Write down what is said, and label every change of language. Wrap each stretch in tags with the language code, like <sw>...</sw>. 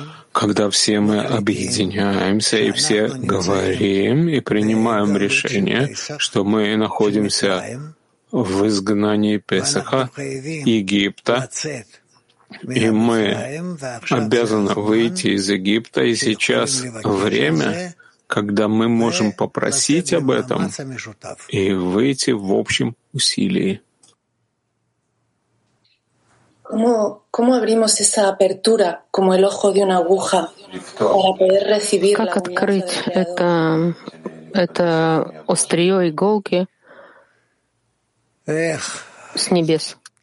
<ru>Когда все мы объединяемся и все говорим и принимаем решение, что мы находимся в изгнании Песаха, Египта, и мы обязаны выйти из Египта, и сейчас время, когда мы можем попросить об этом и выйти в общем усилии.</ru> <es>Como abrimos esa apertura, como el ojo de una aguja, para poder recibir la unión?</es> <ru>Как открыть это острие иголки с небес?</ru>